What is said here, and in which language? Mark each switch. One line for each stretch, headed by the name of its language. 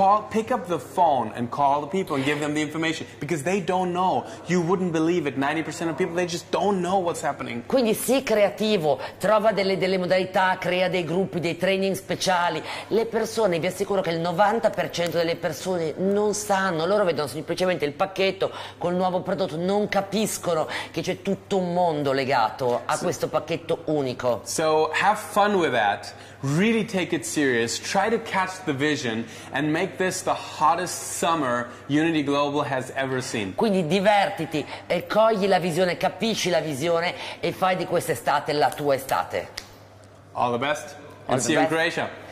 English: Pick up the phone and call the people and give them the information, because they don't know. You wouldn't believe it, 90% of people, they just don't know what's happening.
Italian: Quindi sii creativo, trova delle modalità, crea dei gruppi, dei training speciali. Le persone, vi assicuro che il 90% delle persone non sanno, loro vedono semplicemente il pacchetto col nuovo prodotto, non capiscono che c'è tutto un mondo legato a questo pacchetto unico.
English: So have fun with that. Really take it serious, try to catch the vision and make this the hottest summer Unity Global has ever seen.
Italian: Quindi divertiti e cogli la visione, capisci la visione e fai di quest'estate la tua estate.
English: All the best and see you in Croatia.